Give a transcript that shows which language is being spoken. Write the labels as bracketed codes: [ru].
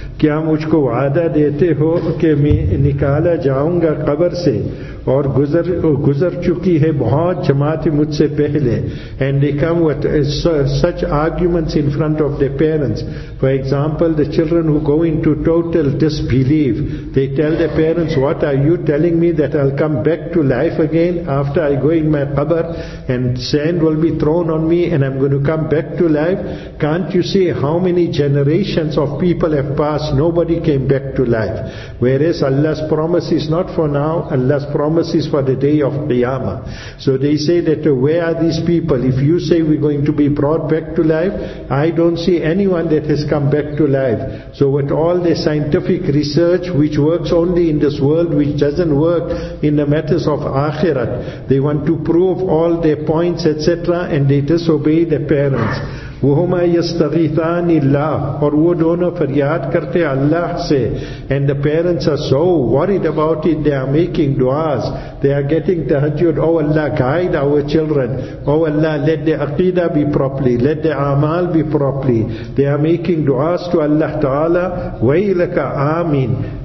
[ur] کیا مجھ کو وعدہ دیتے ہو کہ میں نکالا جاؤں گا قبر سے اور گزر چکی ہے بہت جماعت مجھ سے پہلے. [en] And they come with such arguments in front of their parents. For example, the children who go into total disbelief, they tell their parents, what are you telling me that I'll come back to life again after I go in my qabr and sand will be thrown on me and I'm going to come back to life? Can't you see how many generations of people have passed? Nobody came back to life. Whereas Allah's promise is not for now, Allah's promise is for the day of Qiyamah. So they say that, where are these people? If you say we're going to be brought back to life, I don't see anyone that has come back to life. So with all the scientific research which works only in this world, which doesn't work in the matters of Akhirat, they want to prove all their points, etc., and they disobey their parents. [ar] وَهُمَا يَسْتَغِيثَانِ اللَّهِ. [ur] اور وہ دونوں فریاد کرتے اللہ سے. [en] And the parents are so worried about it, they are making duas, they are getting tahajjud. Oh Allah, guide our children. Oh Allah, let the aqidah be properly, let the amal be properly. They are making duas to Allah Ta'ala. [ar] وَيْلَكَ آمِن.